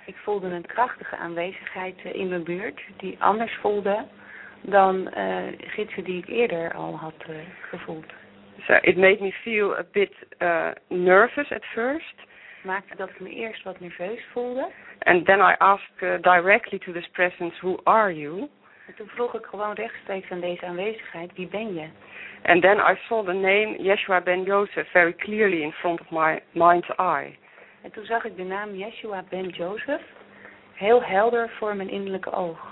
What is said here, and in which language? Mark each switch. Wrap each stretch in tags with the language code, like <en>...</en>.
<nl>Ik voelde een krachtige aanwezigheid in mijn buurt die anders voelde dan gidsen die ik eerder al had gevoeld.</nl> <en>So it made me feel a bit nervous at first.</en> <nl>Maakte dat ik me eerst wat nerveus voelde.</nl> <en>And then I asked directly to this presence, who are you?</en> <nl>En toen vroeg ik gewoon rechtstreeks aan deze aanwezigheid, wie ben je?</nl> <en>And then I saw the name Yeshua ben Joseph very clearly in front of my mind's eye.</en> <nl>En toen zag ik de naam Yeshua ben Joseph heel helder voor mijn innerlijke oog.</nl>